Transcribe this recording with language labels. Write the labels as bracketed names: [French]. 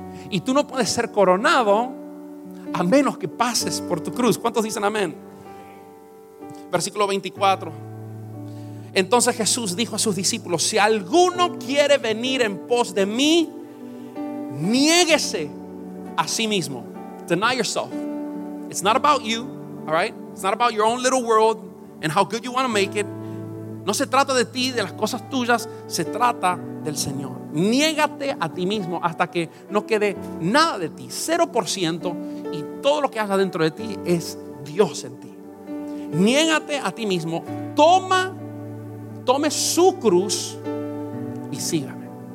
[Spanish] Y tú no puedes ser coronado a menos que pases por tu cruz. ¿Cuántos dicen amén? Versículo 24. Entonces Jesús dijo a sus discípulos: si alguno quiere venir en pos de mí, niéguese a sí mismo. [English] Deny yourself. It's not about you, all right? It's not about your own little world and how good you want to make it. [Spanish] No se trata de ti, de las cosas tuyas, se trata del Señor. Niégate a ti mismo hasta que no quede nada de ti, 0%, y todo lo que haya dentro de ti es Dios en ti. Niégate a ti mismo, tome su cruz y sígame.